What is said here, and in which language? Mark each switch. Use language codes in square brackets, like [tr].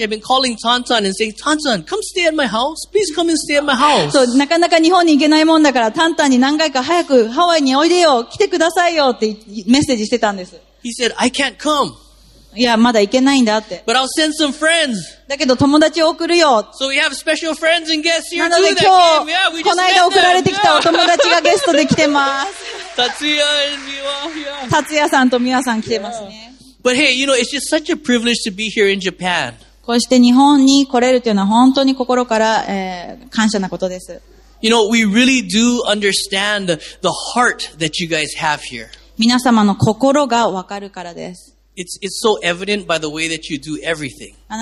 [en] I've been calling Tantan and saying, Tantan, come stay at my house. Please come and stay at my house. [ja] そう、なかなか日本に行けないもんだから、タンタンに何回か早くハワイにおいでよ、来てくださいよってメッセージしてたんです。 [en] He said, I can't come. [ja] いや、まだ行けないんだって。 [en] But I'll send some friends. [ja] だけど友達を送るよ。 [en] So we have special friends and guests here too that came. Yeah, we just met them. [ja] この間送られてきたお友達がゲストで来てます。 [en] Tatsuya and Miwa. [ja] Tatsuya さんとMiwaさん来てますね。 [en] But hey, you know, it's just such a privilege to be here in Japan. [ja] こうして日本に来れるというのは本当に心から感謝なことです。 [en] You know, we really do understand the heart that you guys have here. [ja] 皆様の心がわかるからです。 [en] It's so evident by the way that you do everything.